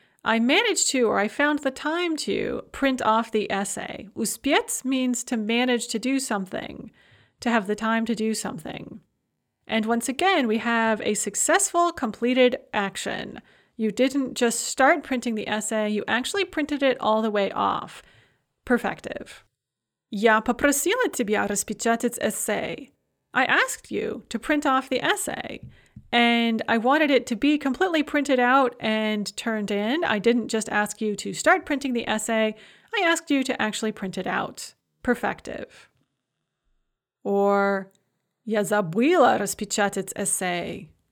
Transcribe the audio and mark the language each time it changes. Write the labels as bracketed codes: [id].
[en] I managed to, or I found the time to, print off the essay. Успеть means to manage to do something, to have the time to do something. And once again, we have a successful completed action. You didn't just start printing the essay, you actually printed it all the way off. Perfective. [ru] Я попросила тебя распечатать essay. [en] I asked you to print off the essay. And I wanted it to be completely printed out and turned in. I didn't just ask you to start printing the essay. I asked you to actually print it out. Perfective. Or, [ru] Я забыла распечатать essay.